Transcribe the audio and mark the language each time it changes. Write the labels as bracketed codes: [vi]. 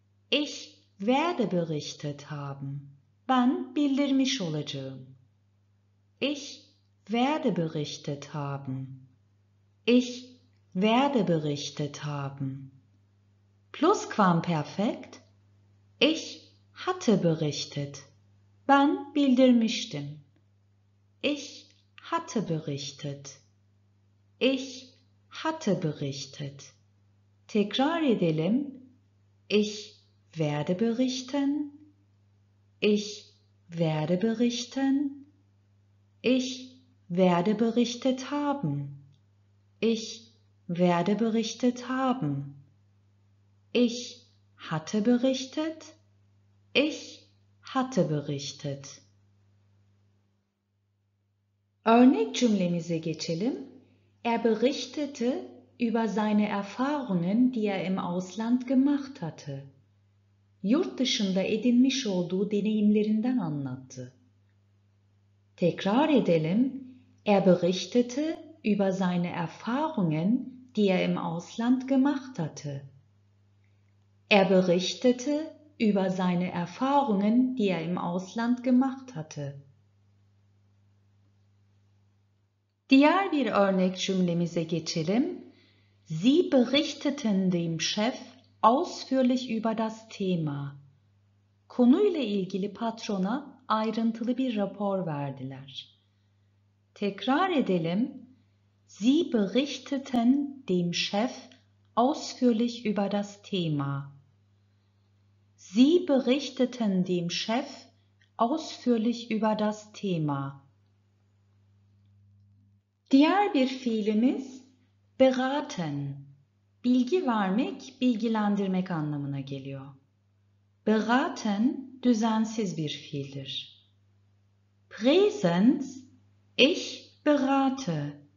[de] Ich werde berichtet haben. [tr] Ben bildirmiş olacağım. [de] Ich werde berichtet haben. Ich werde berichtet haben. Plusquamperfekt. Ich hatte berichtet. [tr] Ben bildirmiştim. [de] Ich hatte berichtet. Ich hatte berichtet. [tr] Tekrar edelim. [de] Ich werde berichten. Ich werde berichten. Ich werde berichtet haben. Ich werde berichtet haben. Ich hatte berichtet. Ich hatte berichtet. [tr] Örnek cümlemize geçelim. [de] Er berichtete über seine Erfahrungen, die er im Ausland gemacht hatte. [tr] Yurt dışında edinmiş olduğu deneyimlerinden anlattı. Tekrar edelim. [de] Er berichtete über seine Erfahrungen, die er im Ausland gemacht hatte. Er berichtete über seine Erfahrungen, die er im Ausland gemacht hatte. [tr] Diğer bir örnek cümlemize geçelim. [de] Sie berichteten dem Chef ausführlich über das Thema. [tr] Konuyla ilgili patrona ayrıntılı bir rapor verdiler. Tekrar edelim. [de] Sie berichteten dem Chef ausführlich über das Thema. Sie berichteten dem Chef ausführlich über das Thema. [tr] Diğer bir fiilimiz beraten. Bilgi vermek, bilgilendirmek anlamına geliyor. Beraten düzensiz bir fiildir. Präsens, [de] ich berate.